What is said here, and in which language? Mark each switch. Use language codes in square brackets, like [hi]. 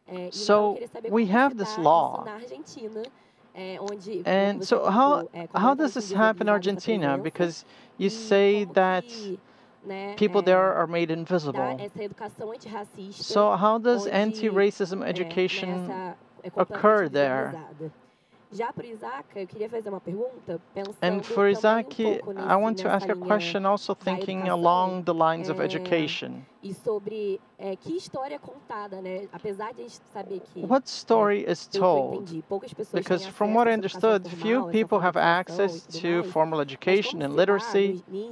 [en] So we have this law. And so how does this happen in Argentina? Because you say that people there are made invisible. So how does anti-racism education occur there? [pt] Já para Issaka, eu queria fazer uma pergunta pensando. [en] And for Issaka, I want to ask a question also thinking along the lines of education. [pt] E sobre que história é contada, né? Apesar de a gente saber que [en] what story is told? Because from what I understood, few people have access to formal education and literacy.